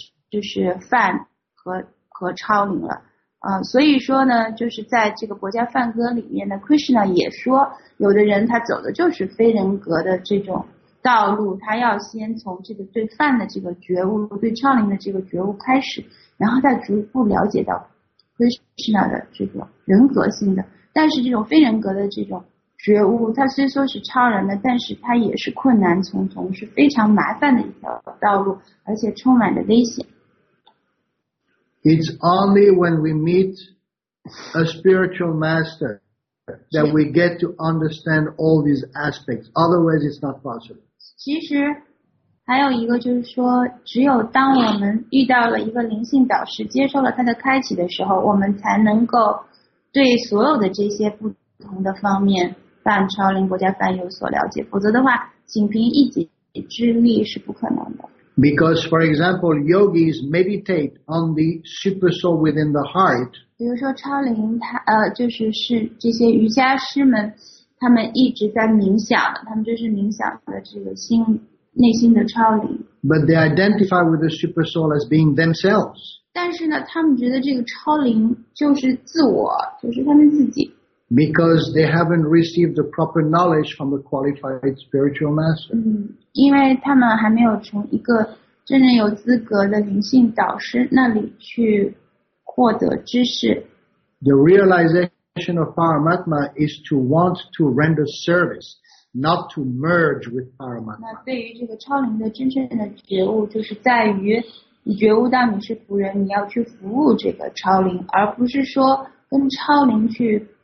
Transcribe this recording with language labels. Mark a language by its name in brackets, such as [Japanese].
[Chinese] 就是梵和超灵了，所以说呢，就是在这个薄伽梵歌里面呢 ，Krishna 也说，有的人他走的就是非人格的这种道路，他要先从这个对梵的这个觉悟，对超灵的这个觉悟开始，然后再逐步了解到 Krishna 的这个人格性的。但是这种非人格的这种觉悟，它虽说是超人的，但是它也是困难重重，是非常麻烦的一条道路，而且充满着危险。 [English] It's only when we meet a spiritual master that we get to understand all these aspects. Otherwise, it's not possible. [Chinese] 其实还有一个就是说，只有当我们遇到了一个灵性导师，接受了他的开启的时候，我们才能够对所有的这些不同的方面，梵、超灵、薄伽梵有所了解。否则的话，仅凭一己之力是不可能的。 [English] Because, for example, yogis meditate on the super soul within the heart. [Chinese] 比如说超灵，就是是这些瑜伽师们，他们一直在冥想，他们就是冥想的这个心内心的超灵。 [English] But they identify with the super soul as being themselves. [Chinese] 但是呢，他们觉得这个超灵就是自我，就是他们自己。 [English] Because they haven't received the proper knowledge from the qualified spiritual master. [Chinese] 因为他们还没有从一个真正有资格的灵性导师那里去获得知识。 [English] The realization of Paramatma is to want to render service, not to merge with Paramatma. [Chinese] 那对于这个超灵的真正的觉悟，就是在于你觉悟到你是仆人，你要去服务这个超灵，而不是说跟超灵去。